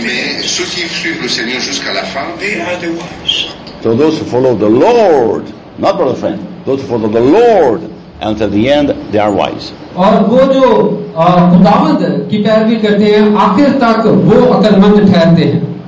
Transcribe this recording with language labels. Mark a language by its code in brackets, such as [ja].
[fr] Mais ceux qui suivent le Seigneur jusqu'à la fin, [en] they are the wise. So those who follow the Lord, not brother friend, those who follow the Lord until the end, they are wise. [hi] और वो जो खुदावंद की पैरवी करते हैं आखिर तक वो अकलमंद ठहरते हैं.